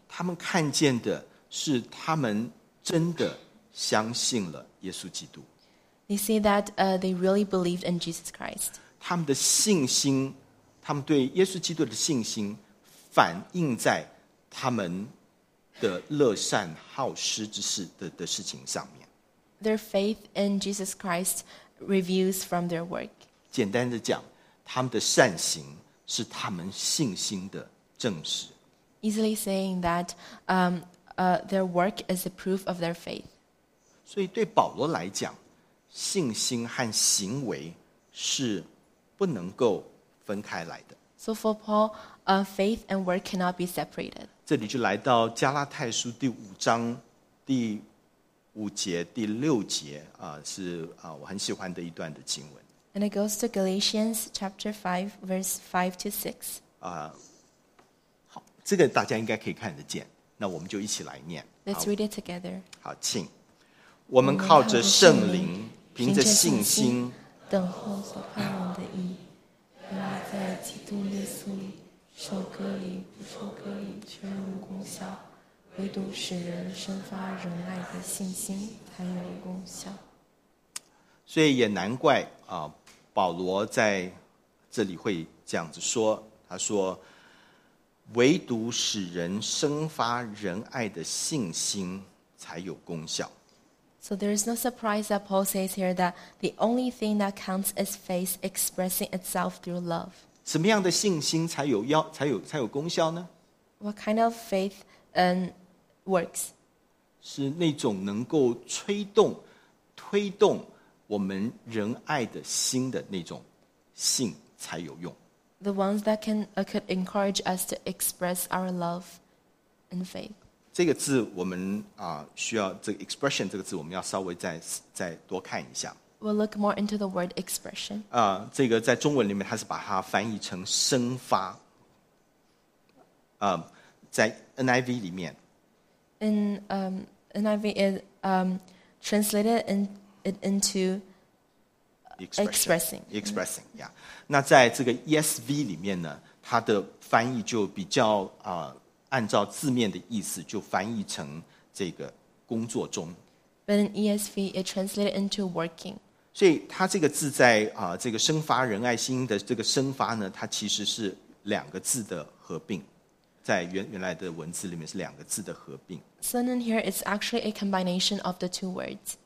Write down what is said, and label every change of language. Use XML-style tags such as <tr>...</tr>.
<zh>他们看见的是他们真的相信了耶稣基督。</zh> <en>They see that they really believed in Jesus Christ.</en> <zh>他们的信心，他们对耶稣基督的信心，反映在他们的乐善好施之事的事情上面。</zh> <en>Their faith in Jesus Christ reveals from their work.</en> <zh>简单的讲，他们的善行是他们信心的证实。</zh> <en>Easily saying that, their work is a proof of their faith.</en> <zh>所以对保罗来讲，信心和行为是不能够分开来的。</zh> <en>So for Paul, faith and work cannot be separated.</en> <zh>这里就来到加拉太书第五章第五节第六节是我很喜欢的一段的经文。</zh> <en>And it goes to Galatians chapter 5, verse 5 to 6.</en> <zh>好，这个大家应该可以看得见，那我们就一起来念。</zh> <en>Let's read it together.</en> <zh>好，请。我们靠着圣灵，凭着信心，等候所盼望的义。原来在基督耶稣里，受割礼不受割礼却无功效，唯独使人生发仁爱的信心才有功效。所以也难怪保罗在这里会这样子说，他说唯独使人生发仁爱的信心才有功效。</zh> <en>So there is no surprise that Paul says here that the only thing that counts is faith expressing itself through love.</en> <zh>什么样的信心才有功效呢？</zh> <en>What kind of faith works?</en> <zh>是那种能够推动我们仁爱的心的那种信才有用。</zh> <en>The ones that can could encourage us to express our love and faith.</en> <zh>这个字我们需要这个 expression 这个字我们要稍微再多看一下。</zh> <en>We'll look more into the word expression.</en> <zh>这个在中文里面它是把它翻译成生发。在 NIV 里面。</zh> <en>NIV is translated it into expressing. Expressing, yeah.</en> <zh>那在这个 ESV 里面呢，它的翻译就比较按照字面的意思就翻译成这个工作中。</zh> <en>But in ESV, it translated into working.</en> <zh>所以它这个字在这个生发仁爱心的这个生发呢，它其实是两个字的合并，在原来的文字里面是两个字的合并。</zh> <en>So in here, it's actually a combination of the two words.</en>